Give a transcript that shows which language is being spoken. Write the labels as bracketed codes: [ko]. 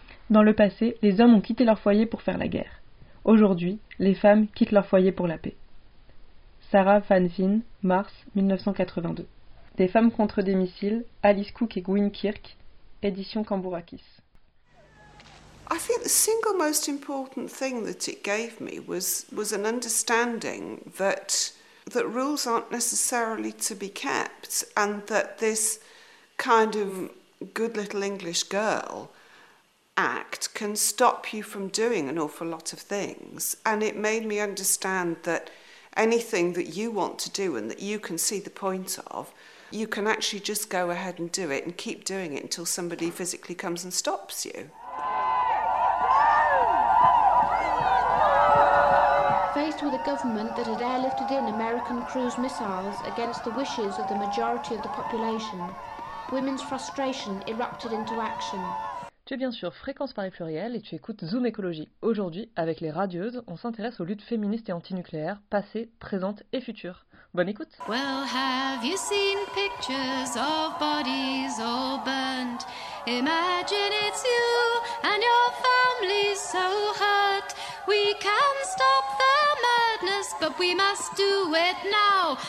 [fr] Dans le passé, les hommes ont quitté leur foyer pour faire la guerre. Aujourd'hui, les femmes quittent leur foyer pour la paix. Sarah Van Zin, mars 1982. Des femmes contre des missiles, Alice Cook et Gwyn Kirk, édition Cambourakis. [en] I think the single most important thing that it gave me was an understanding that rules aren't necessarily to be kept and that this kind of good little English girl act can stop you from doing an awful lot of things. And it made me understand that anything that you want to do and that you can see the point of, you can actually just go ahead and do it and keep doing it until somebody physically comes and stops you. Faced with a government that had airlifted in American cruise missiles against the wishes of the majority of the population, women's frustration erupted into action. [fr] Tu es bien sûr Fréquence Paris Pluriel et tu écoutes Zoom Écologie. Aujourd'hui, avec les radieuses, on s'intéresse aux luttes féministes et antinucléaires, passées, présentes et futures. Bonne écoute. [en] Well, have you seen pictures of bodies all burnt? Imagine it's you and your family so hurt. We can stop the madness, but we must do it now.